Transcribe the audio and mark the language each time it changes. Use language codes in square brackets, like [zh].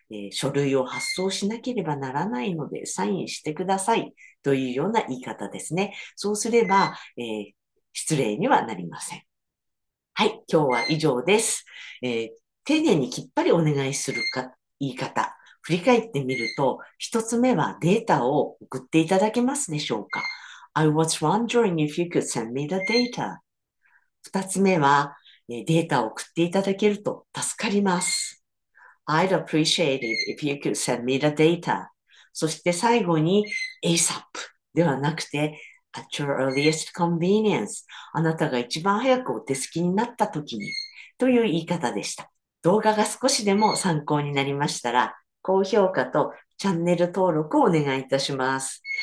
[ja] 書類を発送しなければならないのでサインしてくださいというような言い方ですね。そうすれば、失礼にはなりません。はい、今日は以上です。丁寧にきっぱりお願いするか言い方、振り返ってみると、一つ目はデータを送っていただけますでしょうか。 [en] I was wondering if you could send me the data。 [ja] 二つ目は、データを送っていただけると助かります。 [en] I'd appreciate it if you could send me the data. [ja] そして最後に ASAP ではなくて [en] At your earliest convenience。 [ja] あなたが一番早くお手すきになった時にという言い方でした。動画が少しでも参考になりましたら、高評価とチャンネル登録をお願いいたします。